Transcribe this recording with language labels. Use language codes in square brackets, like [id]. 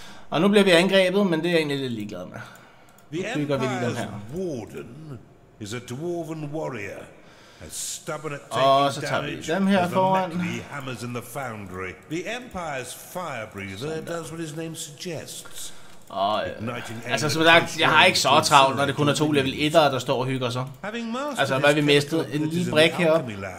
[da] Og nu bliver vi angrebet, men det er jeg egentlig lidt ligeglad med. Nu bygger vi lige den her. [en] Warden is a dwarven warrior, as stubborn at taking damage in the foundry. The Empire's fire breather does what his name suggests. [da] Og, altså som sagt, jeg har ikke så travlt, når det kun er to level 1'ere, der står og hygger sig. Altså, hvad vi mistet? En lille brik heroppe.